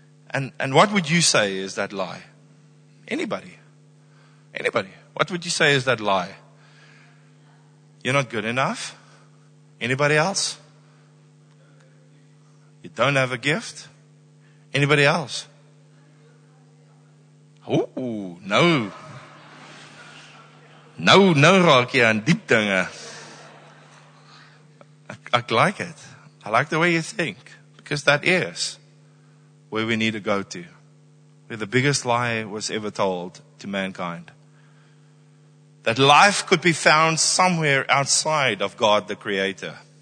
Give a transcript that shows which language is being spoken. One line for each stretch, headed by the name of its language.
English: And what would you say is that lie? Anybody? What would you say is that lie? You're not good enough? Anybody else? You don't have a gift? Anybody else?
Afrikaans: Ooh, nou. Nou, nou raak jy aan diep dinge.
English: I like it. I like the way you think. Because that is where we need to go to. Where the biggest lie was ever told to mankind. That life could be found somewhere outside of God the Creator.